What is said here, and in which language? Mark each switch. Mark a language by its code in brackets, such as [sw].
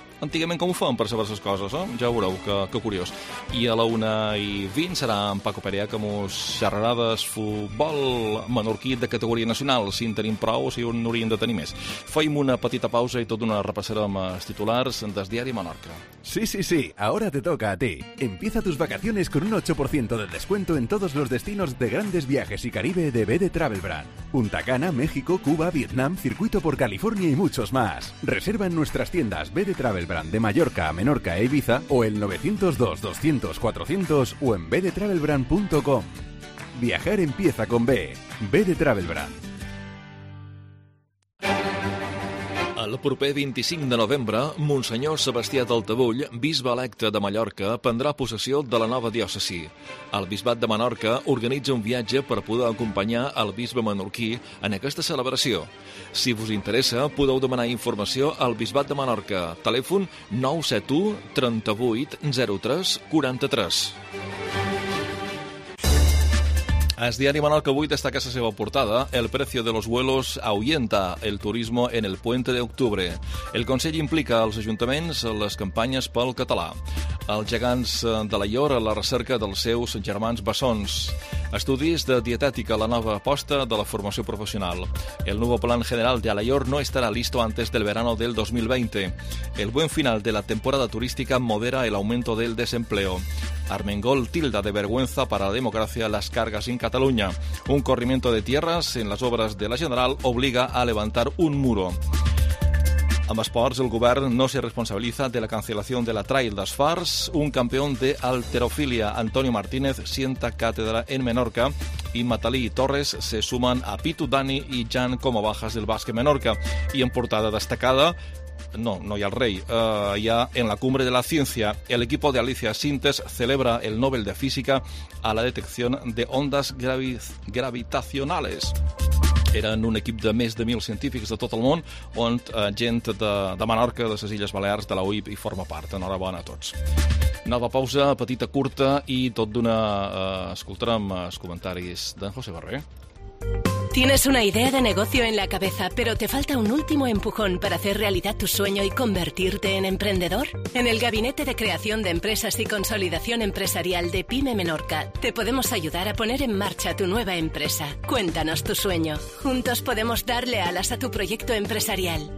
[ca] Antigament, com ho fan per saber les coses, eh? Ja ho veureu, que curiós. I a la 1:20 serà en Paco Perea, que ens xerrarà del futbol menorquí de categoria nacional, si en tenim prou o si en hauríem de tenir més. Feim una petita pausa i tot d'una repassarem els titulars del diari Menorca. [es] Sí, sí, sí, ahora te toca a ti. Empieza tus vacaciones con un 8% de descuento en todos los destinos de Grandes Viajes y Caribe de BD Travel Brand. Punta Cana, México, Cuba, Vietnam, circuito por California y muchos más. Reserva en nuestras tiendas BD Travel Brand de Mallorca, Menorca e Ibiza o el 902-200-400 o en bdtravelbrand.com. Viajar empieza con B. BD Travel Brand. [ca] El proper 25 de novembre, Monsenyor Sebastià d'Altavull, bisbe electe de Mallorca, prendrà possessió de la nova diòcesi. El bisbat de Menorca organitza un viatge per poder acompanyar el bisbe menorquí en aquesta celebració. Si vos interessa, podeu demanar informació al bisbat de Menorca. Telèfon 971-3803-43. El diari Menorca avui destaca la seva portada. [es] El precio de los vuelos ahuyenta el turismo en el puente de octubre. [ca] El Consell implica als ajuntaments les campanyes pel català. Els gegants de la Llor a la recerca dels seus germans bessons. Estudis de dietètica, la nova aposta de la formació professional. [es] El nuevo plan general de la Llor no estará listo antes del verano del 2020. El buen final de la temporada turística modera el aumento del desempleo. Armengol tilda de vergüenza para la democracia las cargas en Cataluña. Un corrimiento de tierras en las obras de la General obliga a levantar un muro. [ca] Amb esports, el govern [es] no se responsabiliza de la cancelación de la Trail das Farts. Un campeón de halterofilia, Antonio Martínez, sienta cátedra en Menorca. Y Matalí y Torres se suman a Pitu Dani y Jan como bajas del básquet Menorca. Y en portada destacada, no, no hay al rey, ya en la cumbre de la ciencia, el equipo de Alicia Sintes celebra el Nobel de Física a la detección de ondas gravitacionales. [ca] Eren un equip de més de 1.000 científics de tot el món, on gent de Menorca, de les Illes Balears, de la UIP, hi forma part. Enhorabona a tots. Nova pausa, petita, curta, i tot d'una... escoltarem els comentaris d'en José Barré. [es] Tienes una idea de negocio en la cabeza, pero te falta un último empujón para hacer realidad tu sueño y convertirte en emprendedor. En el Gabinete de Creación de Empresas y Consolidación Empresarial de PyME Menorca, te podemos ayudar a poner en marcha tu nueva empresa. Cuéntanos tu sueño. Juntos podemos darle alas a tu proyecto empresarial.